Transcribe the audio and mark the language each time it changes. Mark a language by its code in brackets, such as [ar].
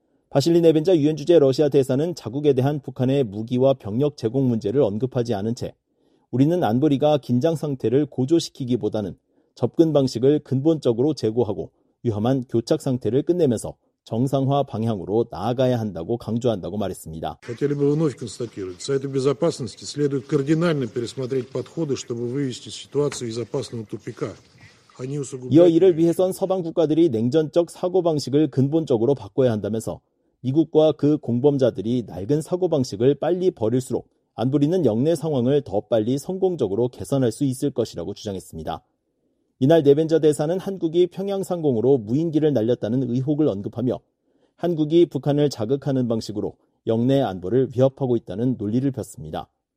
[ko] 바실리 네벤자 유엔 주재 러시아 대사는 자국에 대한 북한의 무기와 병력 제공 문제를 언급하지 않은 채 우리는 안보리가 긴장 상태를 고조시키기보다는 접근 방식을 근본적으로 제고하고 위험한 교착 상태를 끝내면서 정상화 방향으로 나아가야 한다고 강조한다고 말했습니다. [ru] Хотели бы вновь констатировать, Совету Безопасности следует кардинально пересмотреть подходы, чтобы вывести ситуацию из опасного тупика. [ko] 이어 이를 위해선 서방 국가들이 냉전적 사고방식을 근본적으로 바꿔야 한다면서 미국과 그 공범자들이 낡은 사고방식을 빨리 버릴수록 안보리는 역내 상황을 더 빨리 성공적으로 개선할 수 있을 것이라고 주장했습니다. 이날 네벤저 대사는 한국이 평양 상공으로 무인기를 날렸다는 의혹을 언급하며 한국이 북한을 자극하는 방식으로 역내 안보를 위협하고 있다는 논리를 폈습니다.